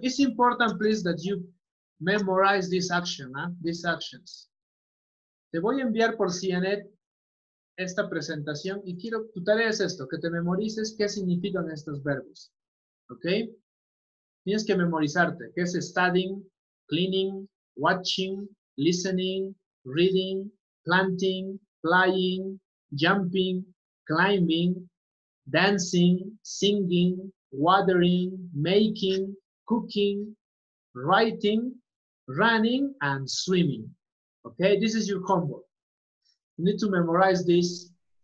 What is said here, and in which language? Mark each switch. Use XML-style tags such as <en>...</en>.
<en>It's important, please, that you memorize this action, these actions.</en> <es>Te voy a enviar por CNET esta presentación y quiero, tu tarea es esto, que te memorices qué significan estos verbos. ¿Ok? Tienes que memorizarte. ¿Qué es</es> <en>studying, cleaning, watching, listening, reading, planting, flying, jumping, climbing, dancing, singing, watering, making, cooking, writing, running, and swimming. Okay, this is your homework. You need to memorize these</en>